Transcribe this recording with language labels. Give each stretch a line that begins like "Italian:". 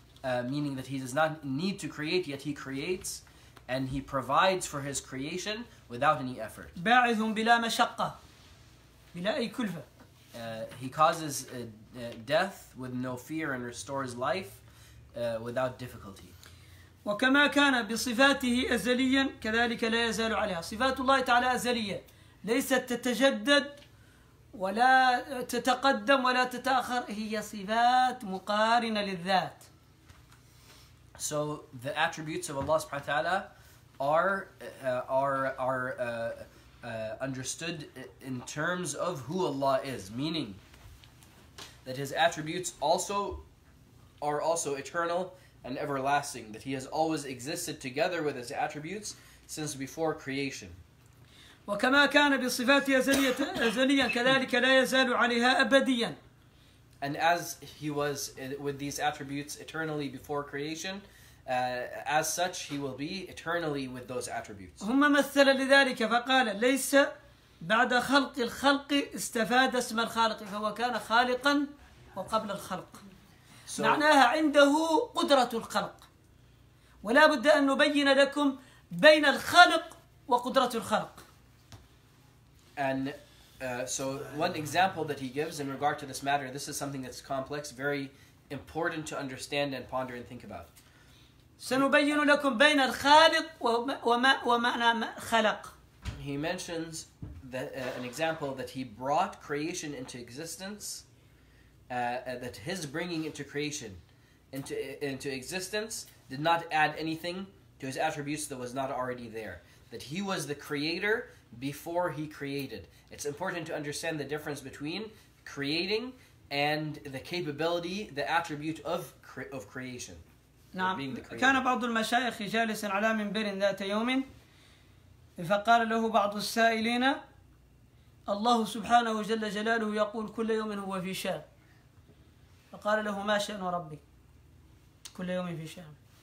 English: Meaning that he does not need to create, yet he creates, and he provides for his creation without any effort.
Arabic: بَاعِثٌ بِلَا مَشَقَّةٍ بِلَا أَيْ كُلْفَةٍ.
English: He causes death with no fear and restores life without difficulty.
Arabic: وَكَمَا كَانَ بِصِفَاتِهِ أَزَلِيًا كَذَلِكَ لَا يَزَالُ عَلَيْهَا. صفات الله تعالى أزلية ليست تتجدد ولا تتقدم ولا تتأخر. هي صفات مقارنة للذات.
English: So the attributes of Allah subhanahu wa ta'ala are understood in terms of who Allah is, meaning that His attributes also are also eternal and everlasting, that He has always existed together with His attributes since before creation.
Arabic: وَكَمَا كَانَ بِصِفَاتِ أَزَلِيًا كَذَلِكَ لَا يَزَالُ عَلِيهَا أَبَدِيًا.
English: And as He was with these attributes eternally before creation, as such, he will be eternally with those attributes.
Arabic: هم مثل لذلك فقال ليس بعد خلق الخلق استفاد اسم الخالق فهو كان خالقا وقبل الخلق معناها عنده قدرة الخلق ولا بد أن نبين لكم بين الخالق وقدرة الخلق.
English: And so one example that he gives in regard to this matter, this is something that's complex, very important to understand and ponder and think about.
Arabic: سنبين لكم بين الخالق ومعنى خلق.
English: He mentions an example that he brought creation into existence, that his bringing into creation into existence did not add anything to his attributes that was not already there. That he was the creator before he created. It's important to understand the difference between creating and the capability, the attribute of creation.
Arabic: كان بعض المشايخ جالسا على منبر ذات يوم فقال له بعض السائلين الله سبحانه جل جلاله يقول كل يوم هو في شأن فقال له ما شأن ربي كل يوم في شأن